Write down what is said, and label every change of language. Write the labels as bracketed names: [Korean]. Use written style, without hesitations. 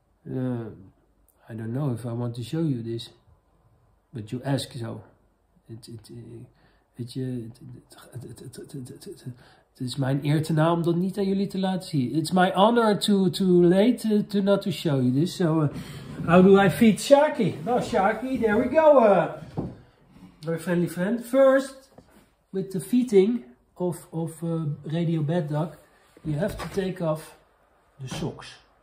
[English] I don't know if I want to show you this. But you ask so. [Dutch] Het is mijn eer te na om dat niet aan jullie te laten zien. [English] It's my honor to not to show you this. So, how do I feed Shaki? Nou, Shaki, there we go. Very friendly friend. First, with the feeding of Radio Bad Duck, you have to take off the socks.